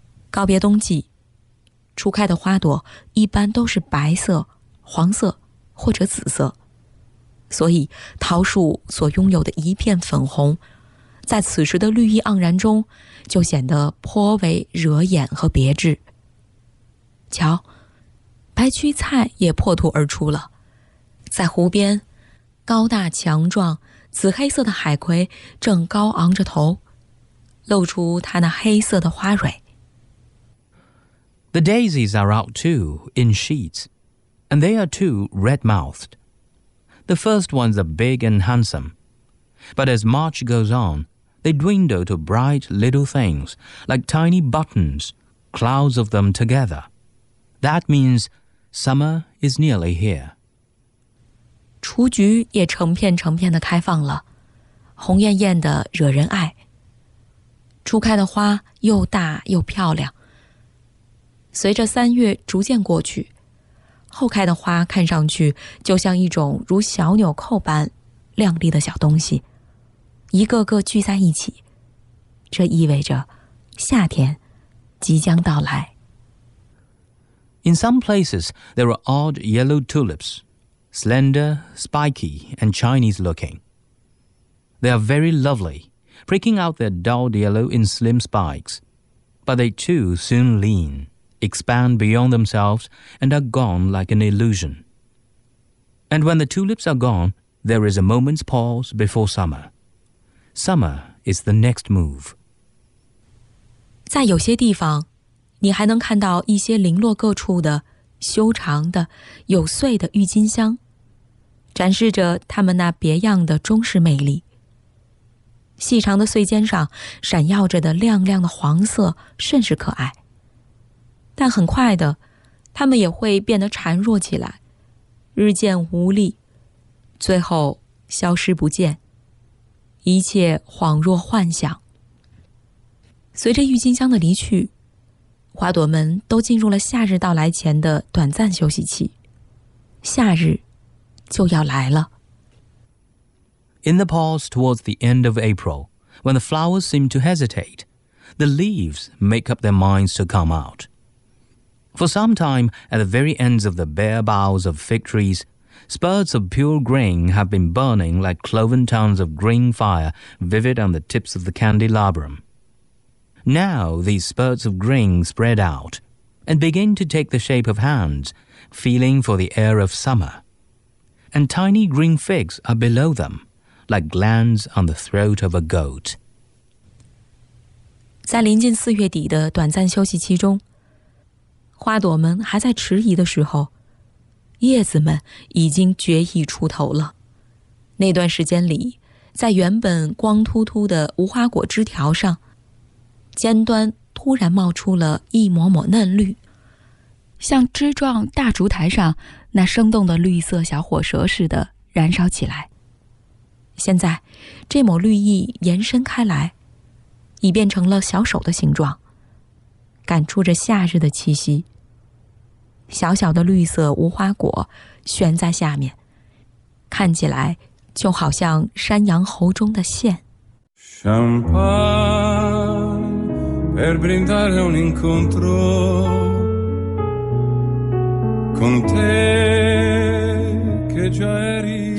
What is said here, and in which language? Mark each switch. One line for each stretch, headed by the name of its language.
Chinese: 告别冬季，初开的花朵一般都是白色、黄色或者紫色。所以桃树所拥有的一片粉红，在此时的绿意盎然中就显得颇为惹眼和别致。瞧，白屈菜也破土而出了，在湖边高大强壮紫黑色的海葵正高昂着头，露出它那黑色的花蕊。
English: The daisies are out too in sheets, and they are too red-mouthedThe first ones are big and handsome. But as March goes on, they dwindle to bright little things, like tiny buttons, clouds of them together. That means summer is nearly here.
Chinese: 雏菊也成片成片地开放了，红艳艳地惹人爱。初开的花又大又漂亮。随着三月逐渐过去，后开的花看上去就像一种如小纽扣般亮丽的小东西，一个个聚在一起，这意味着夏天即将到来。
English: In some places, there are odd yellow tulips, slender, spiky, and Chinese looking. They are very lovely, pricking out their dull yellow in slim spikes. But they too soon lean, expand beyond themselves, and are gone like an illusion. And when the tulips are gone, there is a moment's pause before summer. Summer is the next move.
Chinese: 在有些地方，你还能看到一些零落各处的修长的有穗的郁金香，展示着它们那别样的中式魅力。细长的穗尖上闪耀着的亮亮的黄色甚是可爱，但很快的它们也会变得孱弱起来，日渐无力，最后消失不见，一切恍若幻想。随着郁金香的离去，花朵们都进入了夏日到来前的短暂休息期，夏日就要来了。
English: In the pause towards the end of April, when the flowers seem to hesitate, the leaves make up their minds to come out. For some time, at the very ends of the bare boughs of fig trees, spurts of pure green have been burning like cloven tongues of green fire vivid on the tips of the candelabrum. Now these spurts of green spread out and begin to take the shape of hands, feeling for the air of summer. And tiny green figs are below them, like glands on the throat of a goat.
Chinese: 在临近四月底的短暂休息期中，花朵们还在迟疑的时候，叶子们已经决意出头了。那段时间里，在原本光秃秃的无花果枝条上，尖端突然冒出了一抹抹嫩绿，像枝状大烛台上那生动的绿色小火舌似的燃烧起来。现在这抹绿意延伸开来，已变成了小手的形状，感触着夏日的气息。小小的绿色无花果悬在下面，看起来就好像山羊喉中的线。
Italian: Champagne per brindare un incontro con te che già eri.